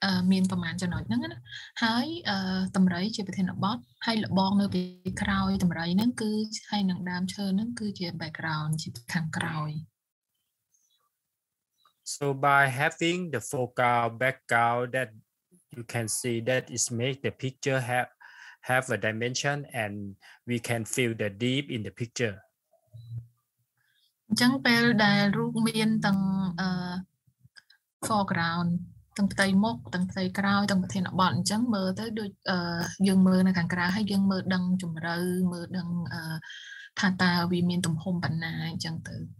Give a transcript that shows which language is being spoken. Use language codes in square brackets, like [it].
[km] មានប្រមាណចំណុចហ្នឹងណាហើយតម្រៃជាប្រធានបទហើយលបងនៅពីក្រោយតម្រៃហ្នឹងគឺហើយនឹងដើមឈើហ្នឹងគឺជា background ជាខាងក្រោយ [en] So by having the focal background that you can see that is make the picture have a dimension and we can feel the deep in the picture [km] អញ្ចឹងពេលដែលរូបមានទាំង foreground ទាំងផ្ទៃមុខទាំងផ្ទៃក្រោយទាំងប្រធានបទអញ្ចឹងមើលទៅដូចយើងមើលនៅខាងក្រៅហើយយើងមើលដឹងជម្រៅមើលដឹងថាតើវាមានទំហំប៉ុណ្ណាអញ្ចឹងទៅ